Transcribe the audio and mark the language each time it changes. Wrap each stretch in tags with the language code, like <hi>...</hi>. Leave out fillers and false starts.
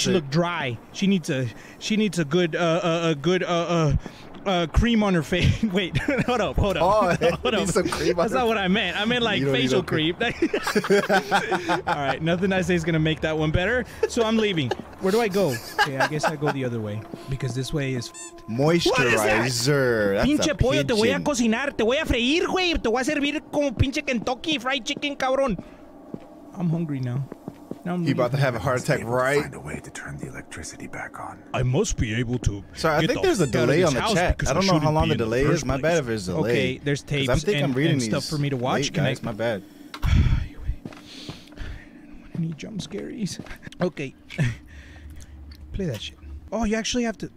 <en>She looked dry. She needs a good cream on her face. Wait, hold up. Some cream on that's her not what I meant. I meant like facial cream. All right, nothing I say is going to make that one better. So I'm leaving. Where do I go? Okay, I guess I go the other way because this way is moisturizer. What is that?</en> <es>Pinche pollo, te voy a cocinar, te voy a freír, güey. Te voy a servir como pinche Kentucky fried chicken, cabrón.</es> <en>I'm hungry now. He's about to have a heart attack, right? Find a way to turn the electricity back on. I must be able to. Sorry, I think there's a delay on the chat. I don't know how long the delay is. My bad if there's a delay. Okay, there's tapes and stuff for me to watch. Late, guys, my bad. Anyway, I don't want any jump scares. Okay, play that shit. Oh, you actually have to.</en>